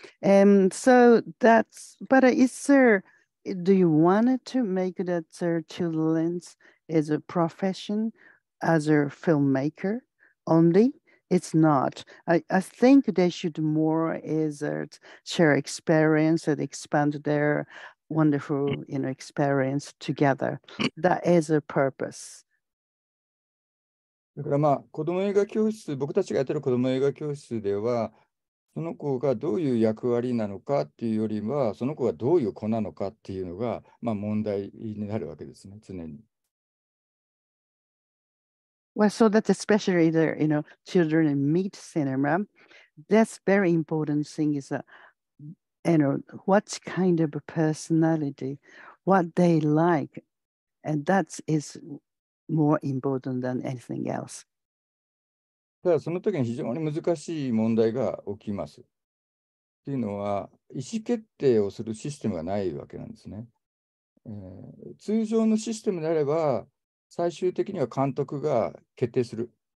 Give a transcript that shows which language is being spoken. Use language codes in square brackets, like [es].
[en] And so that's, but is there, do you want to make that children's is a profession as a filmmaker only? It's not. I think they should more is share experience and expand their wonderful, you know, experience together. That is a purpose. [ja] だからまあ子供映画教室、僕たちがやってる子供映画教室ではその子がどういう役割なのかっていうよりはその子がどういう子なのかっていうのが、まあ、問題になるわけですね、常に。 [en] Well, so that especially the, you know, children meet cinema, that's very important thing is that, you know, what kind of a personality, what they like, and that is more important than anything else. [ja] ただその時に非常に難しい問題が起きます。っていうのは意思決定をするシステムがないわけなんですね。通常のシステムであれば最終的には監督が決定する。